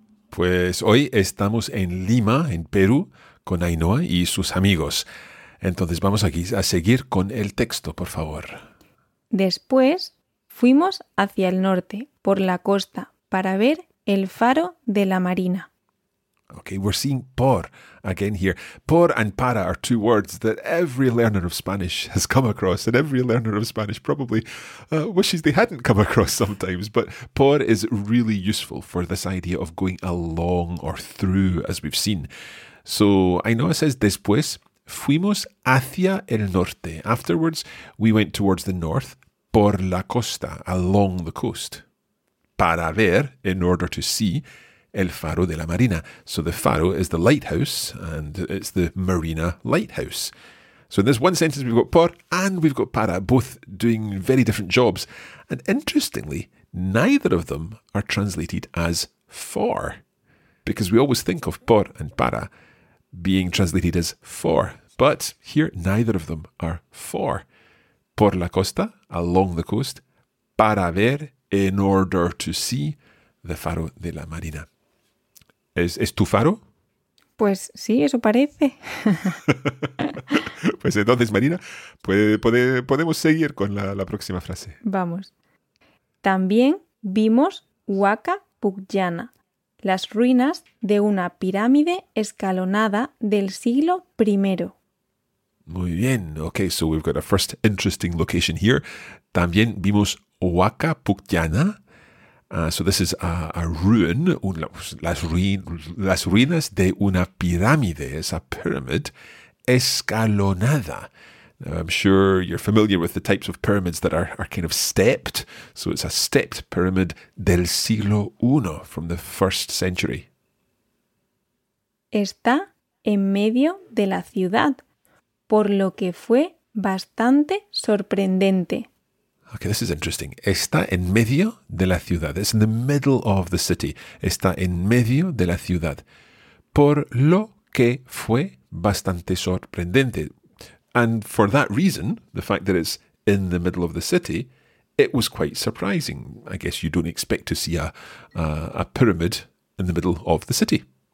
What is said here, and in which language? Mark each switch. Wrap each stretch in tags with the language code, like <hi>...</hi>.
<es>Pues hoy estamos en Lima, en Perú, con Ainhoa y sus amigos. Entonces vamos aquí a seguir con el texto, por favor. Después fuimos hacia el norte, por la costa, para ver el faro de la marina.</es> <en>Okay, we're seeing por again here. Por and para are two words that every learner of Spanish has come across, and every learner of Spanish probably wishes they hadn't come across sometimes. But por is really useful for this idea of going along or through, as we've seen. So Ainhoa says,</en> <es>después fuimos hacia el norte.</es> <en>Afterwards, we went towards the north,</en> <es>por la costa,</es> <en>along the coast. Para ver, in order to see,</en> <es>el faro de la marina.</es> <en>So the faro is the lighthouse, and it's the marina lighthouse. So in this one sentence, we've got por and we've got para, both doing very different jobs. And interestingly, neither of them are translated as for, because we always think of por and para being translated as for. But here, neither of them are for. Por la costa, along the coast. Para ver, in order to see the faro de la marina.</en> <es>¿Es tu faro? Pues sí, eso parece. Pues entonces, Marina, podemos seguir con la próxima frase. Vamos. También vimos Huaca Pucyana, las ruinas de una pirámide escalonada del siglo I. Muy bien.</es> <en>Okay, so we've got a first interesting location here.</en> <es>También vimos Huaca Pucyana.</es> <en>So this is a ruin,</en> <es>las ruinas de una pirámide.</es> <en>It's a pyramid escalonada. Now, I'm sure you're familiar with the types of pyramids that are kind of stepped. So it's a stepped pyramid del siglo I, from the first century.</en> <es>Está en medio de la ciudad, por lo que fue bastante sorprendente.</es> <en>Okay, this is interesting.</en> <es>Está en medio de la ciudad.</es> <en>It's in the middle of the city.</en> <es>Está en medio de la ciudad. Por lo que fue bastante sorprendente.</es> <en>And for that reason, the fact that it's in the middle of the city, it was quite surprising. I guess you don't expect to see a pyramid in the middle of the city.</en>